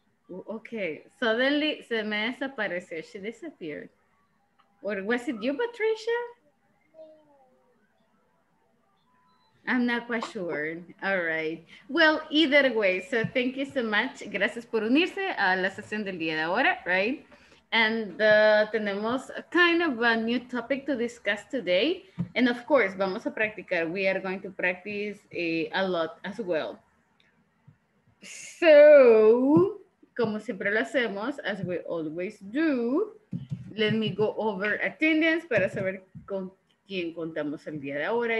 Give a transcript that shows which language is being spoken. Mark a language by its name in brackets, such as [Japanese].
[English] Okay, suddenly [Spanish] se me desapareció. [English] She disappeared. Or was it you, Patricia? I'm not quite sure. All right. Well, either way, so thank you so much. [Spanish] Gracias por unirse a la sesión del día de ahora, right? [English] And [Spanish] tenemos [English] kind of a new topic to discuss today. And of course, [Spanish] vamos a practicar. [English] We are going to practice a lot as well. So, [Spanish] como siempre lo hacemos, [English] as we always do, let me go over attendance [Spanish] para saber con quien contamos el día de ahora.